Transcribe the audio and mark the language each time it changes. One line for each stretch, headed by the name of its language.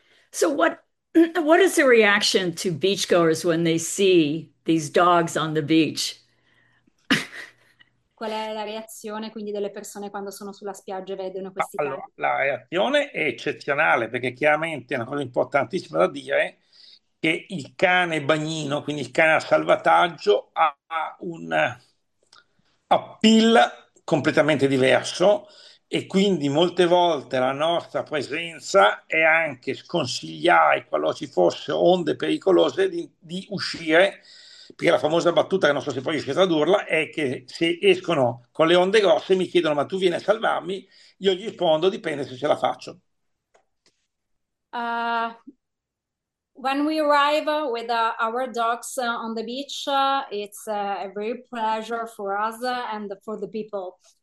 English: So what is the reaction to beachgoers when they see these dogs on the beach?
Italian: Qual è la reazione quindi delle persone quando sono sulla spiaggia e vedono questi cani? Allora, la reazione è eccezionale perché chiaramente è una cosa importantissima da dire che il cane bagnino, quindi il cane a salvataggio, ha un appeal completamente diverso. E quindi molte volte la nostra presenza è anche sconsigliare qualora ci fossero onde pericolose di uscire, la famosa battuta, che non so se poi riesco a tradurla, è che se escono con le onde grosse, mi chiedono: ma tu vieni a salvarmi? Io gli rispondo: dipende se ce la faccio.
English: When we arrive with our dogs on the beach, it's a great pleasure for us and for the people.